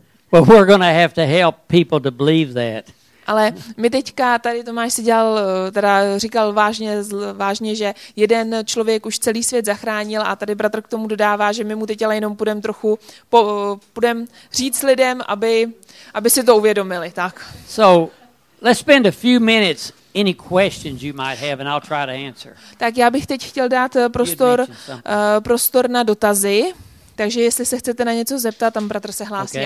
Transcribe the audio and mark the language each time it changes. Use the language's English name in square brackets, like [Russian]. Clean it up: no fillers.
[English] But we're going to help people to believe that. [Czech] Ale my teďka tady Tomáš si dělal, teda říkal vážně, že jeden člověk už celý svět zachránil a tady bratr k tomu dodává, že my mu teď ale jenom půjdeme trochu půjdem říct lidem, aby si to uvědomili, tak. [English] So, let's spend a few minutes any questions you might have and I'll try to answer. [Czech] Tak já bych teď chtěl dát prostor na dotazy. Takže jestli se chcete na něco zeptat, tam bratr se hlásí, okay.